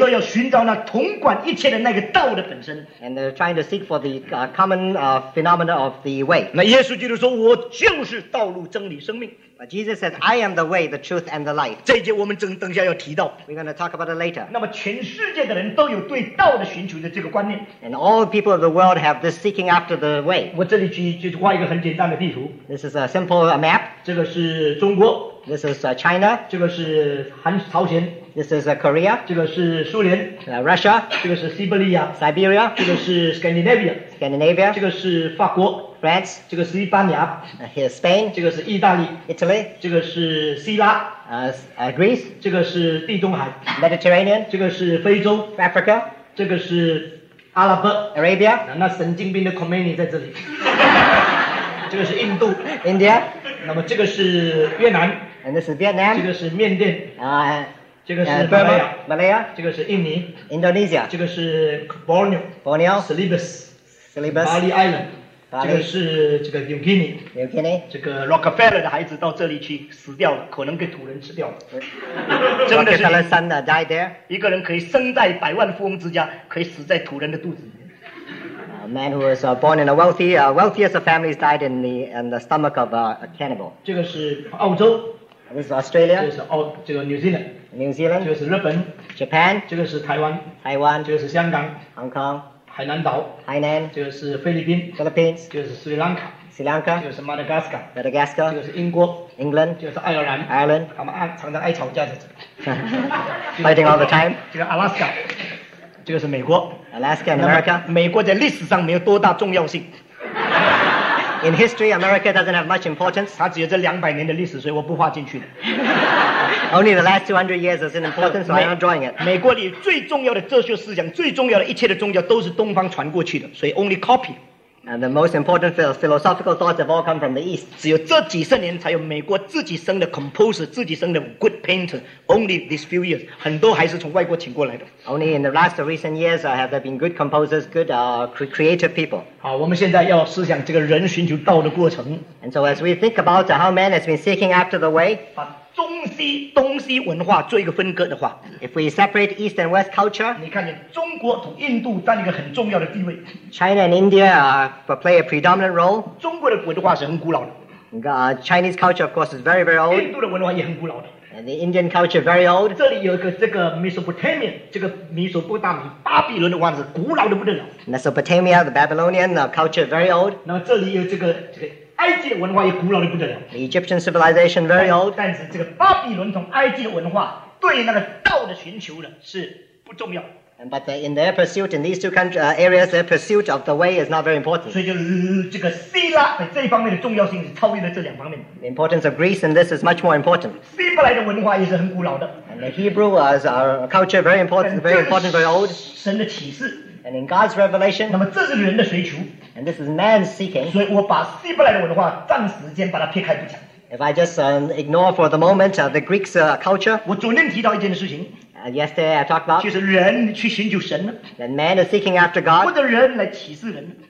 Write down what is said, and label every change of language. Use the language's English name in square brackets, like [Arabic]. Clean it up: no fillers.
[Chinese] 都要寻找那统管一切的那个道的本身。 [English] And they're trying to seek for the common phenomena of the way. [Chinese] 那耶稣基督说，我就是道路、真理、生命。 [English] But Jesus says, I am the way, the truth, and the life. [Chinese] 这一节我们等下要提到。 [English] We're going to talk about it later. [Chinese] 那么全世界的人都有对道的寻求的这个观念。 [English] And all people of the world have this seeking after the way. [Chinese] 我这里去画一个很简单的地图。 [English] This is a simple map. [Chinese] 这个是中国。 [English] This is China. [Chinese] 这个是朝鲜。 [English] This is Korea. [Chinese] 这个是苏联。 [English] Russia. [Chinese] 这个是西伯利亚。 [English] Siberia. [Chinese] 这个是 Scandinavia. [English] Scandinavia. [Chinese] 这个是法国。 [English] France. [Chinese] 这个是西班牙。 [English] Here's Spain. [Chinese] 这个是意大利。 [English] Italy. [Chinese] 这个是希腊。 [English] Greece. [Chinese] 这个是地中海。 [English] Mediterranean. [Chinese] 这个是非洲。 [English] Africa. [Chinese] 这个是阿拉伯。 [English] Arabia. [Chinese] 那神经病的 Khomeini 在这里。这个是印度。 [English] India. [Chinese] 那么这个是越南。 [English] And this is Vietnam. [Chinese] 这个是缅甸。这个是 [English] Burma, [Chinese] Malaya, 这个是印尼 [English] Indonesia, [Chinese] 这个是 Borneo, [English] Borneo, [Chinese] Celebes, Bali Island, 这个 New Guinea, [English] New Guinea, [Chinese] 这个 Rockefeller 的孩子到这里去死掉了，可能给土人吃掉了。真的是 [English] Rockefeller son died there. [Chinese] 一个人可以生在百万富翁之家，可以死在土人的肚子里面。 [English] A man who was born in a wealthiest of families died in the stomach of a cannibal. [Chinese] 这个是澳洲。 [English] This is Australia. [Chinese] 这个 New Zealand. [English] New Zealand. [Chinese] 这个是日本。 [English] Japan. [Chinese] 这个是台湾。 [English] Taiwan. [Chinese] 这个是香港。 [English] Hong Kong. [Chinese] 海南岛。 [English] Hainan. [Chinese] 这个是菲律宾。 [English] Philippines. [Chinese] 这个是 Sri Lanka. [English] Sri Lanka. [Chinese] 这个是 Madagascar. [English] Madagascar. [Chinese] 这个是英国。 [English] England. [Chinese] 这个是爱尔兰。 [English] Ireland. [Chinese] 他们常常爱吵架的。 [English] Fighting all the time. [Chinese] 这个 Alaska. 这个是美国。 [English] Alaska and America. [Chinese] 美国在历史上没有多大重要性。 [English] In history, America doesn't have much importance. [Chinese] 它只有这两百年的历史，所以我不画进去。 [English] Only the last 200 years is in importance, so I'm not drawing it. [Chinese] 美国里最重要的哲学思想，最重要的一切的宗教，都是东方传过去的，所以 [English] only copy. And the most important philosophical thoughts have all come from the East. [Chinese] 只有这几十年才有美国自己生的 composer, 自己生的 [English] good painter. Only these few years, [Chinese] 很多还是从外国请过来的。 [English] Only in the last recent years have there been good composers, good creative people. [Chinese] 好，我们现在要思想这个人寻求道的过程。 [English] And so as we think about how man has been seeking after the way, [Chinese] 把东西文化做一个分割的话， [English] if we separate East and West culture, [Chinese] 你看见中国同印度占一个很重要的地位。 [English] China and India play a predominant role. [Chinese] 中国的文化是很古老的。 [English] Chinese culture, of course, is very, very old. [Chinese] 印度的文化也很古老的。 [English] And the Indian culture very old. [Chinese] 这里有一个这个 Mesopotamia, 这个米索不达米巴比伦的文化是古老的不得了。 [English] Mesopotamia, the Babylonian culture very old. [Chinese] 那么这里有这个埃及的文化也古老的不得了。 [English] The Egyptian civilization very old. [Chinese] 但是这个巴比伦同埃及的文化对那个道的寻求呢是不重要。 [English] And but in their pursuit in these two countries, areas, their pursuit of the way is not very important. [Chinese] 所以就这个希腊在这方面的重要性是超越了这两方面。 [English] The importance of Greece in this is much more important. [Chinese] 希伯来的文化也是很古老的。 [English] And the Hebrew as our culture very important, very important, very old. [Chinese] 神的启示。 [English] And in God's revelation. [Chinese] 那么这是人的追求。 [English] And this is man's seeking. [Chinese] 所以我把希伯来的文化暂时间把它撇开不讲。 [English] If I just ignore for the moment the Greek's culture. [Chinese] 我昨天提到一件事情。 [English] Yesterday I talked about. [Chinese] 就是人去寻求神。 [English] That man is seeking after God. [Chinese] 或者人来启示人。